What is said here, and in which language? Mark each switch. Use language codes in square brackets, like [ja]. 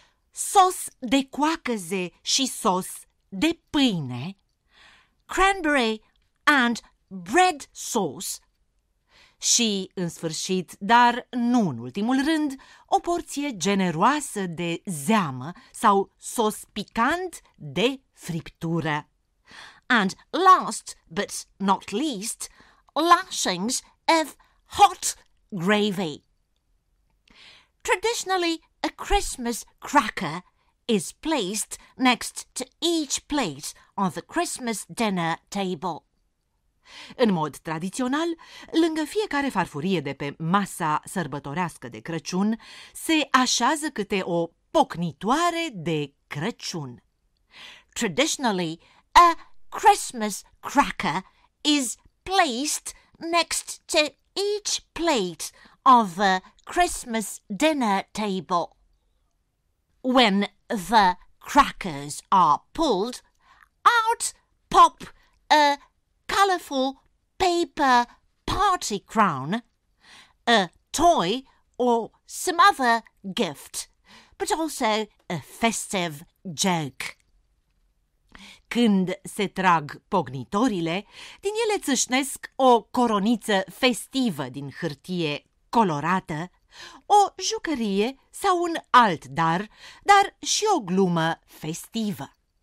[ro] sos de coacăze și sos de pâine, [en] cranberry and bread sauce, [ro] și, în sfârșit, dar nu în ultimul rând, o porție generoasă de zeamă sau sos picant de friptură. [en] And last but not least, lashings of hot gravy. Traditionally, a Christmas cracker is placed next to each plate on the Christmas dinner table. [ro] În mod tradițional, lângă fiecare farfurie de pe masa sărbătorească de Crăciun, se așează câte o pocnitoare de Crăciun. [en] Traditionally, a Christmas cracker is placed next to each plate of the Christmas dinner table. When the crackers are pulled, out pop a colourful paper party crown, a toy or some other gift, but also a festive joke. [ro] Când se trag pocnitorile, din ele țâșnesc o coroniță festivă din hârtie colorată, o jucărie sau un alt dar, dar și o glumă festivă.